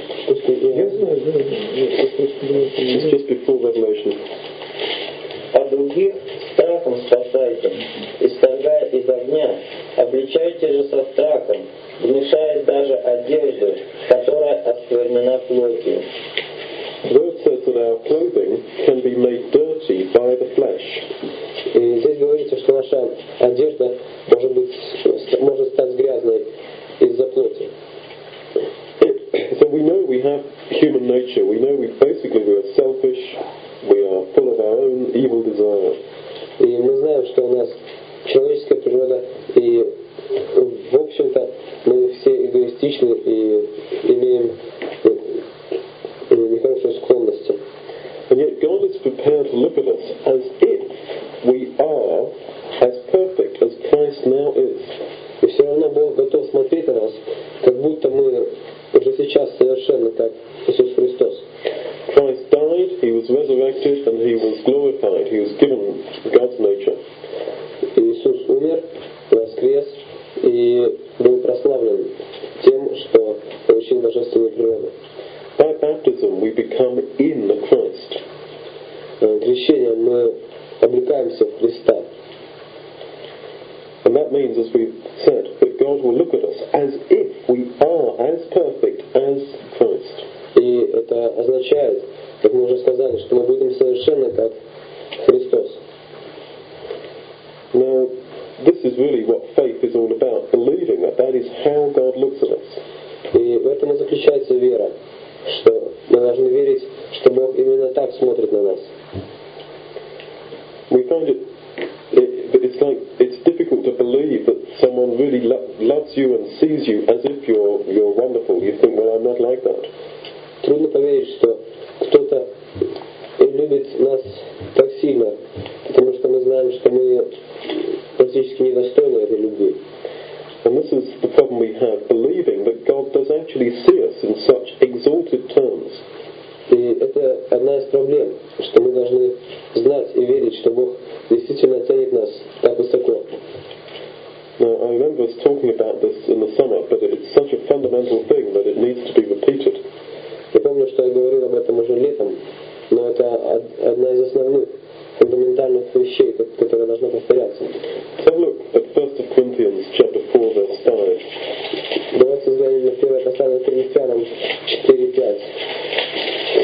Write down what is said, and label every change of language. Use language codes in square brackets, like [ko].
[ru] После... Я знаю. [en] It's just before Revelation. [ru] А других страхом спасайте, исторгая из огня. Обличайте же со страхом, внушая даже одежду, которая осквернена плотью. [en] Word says that our clothing can be made dirty by the flesh. [ru] И здесь говорится, что наша одежда может стать грязной из-за плоти. [en] So we know we have human nature. We know we are selfish. We are full of our own evil desires. [ru] И мы знаем, что у нас человеческая природа, и в общем-то мы все эгоистичны и имеем нехорошие склонности. [en] And yet God is prepared to look at us as if we are as perfect as Christ now is. [ru] И все равно Бог готов смотреть на нас, как будто мы уже сейчас совершенны, как Иисус Христос. [en] Christ died, He was resurrected, and He was glorified. He was given God's nature. [ru] Иисус умер, воскрес и был прославлен тем, что получил божественную природу. [en] By baptism we become in the Christ. [ru] Крещением мы облекаемся в Христа. [en] And that means, as we've said, that God will look at us as if we are as perfect as Christ. [ru] И это означает, как мы уже сказали, что мы будем совершенны как Христос. [en] Now, this is really what faith is all about, believing that that is how God looks at us. [ru] И в этом и заключается вера. Что мы должны верить, что Бог именно так смотрит на нас. [en] We find it's difficult to believe that someone really loves you and sees you as if you're wonderful. You think, well, I'm not like that. [ru] Трудно поверить, что кто-то любит нас так сильно, потому что мы знаем, что мы практически недостойны этой любви. [en] And this is the problem we have, believing that God does actually see us in such exalted terms. [ru] И это одна из проблем, что мы должны знать и верить, что Бог действительно ценит нас так высоко. [en] was talking about this in the summer, but it's such a fundamental thing that it needs to be repeated. [ru] Я помню, что я говорил об этом уже летом, но это одна из основных фундаментальных вещей, которая должна повторяться. [en] So look at 1 Corinthians chapter 4, verse 5. [ru] Давайте взглянем на первое послание Коринфянам 4:5.